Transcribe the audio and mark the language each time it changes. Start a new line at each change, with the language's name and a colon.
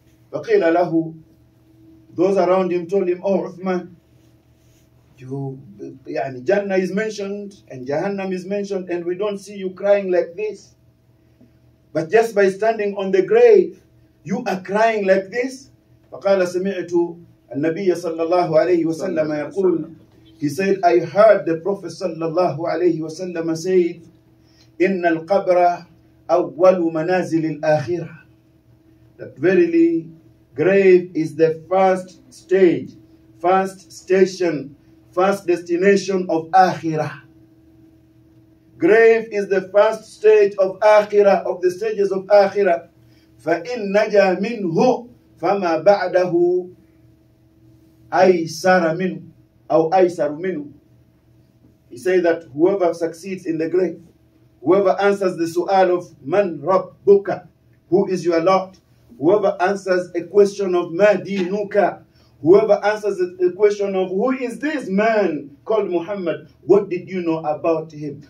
Arabic: Faqila lahu,
English: those around him told him, oh Uthman, Jannah is mentioned and Jahannam is mentioned, and we don't see you crying like this. But just by standing on the grave, you are crying like this.
Arabic: فقال سمعت النبي صلى الله عليه وسلم يقول.
English: He said, I heard the Prophet صلى الله عليه وسلم say,
Arabic: إن القبر أول منازل الآخرة.
English: That verily, grave is the first stage, first station, first destination of Akhirah. Grave is the first stage of Akhirah, of the stages of Akhirah.
Arabic: فإن نجا منه فما بعده أيسر منه أو أيسر منه.
English: He says that whoever succeeds in the grave, whoever answers the su'al of man rabbuka, who is your Lord, whoever answers a question of ma dinuka, whoever answers the question of who is this man called Muhammad, what did you know about him?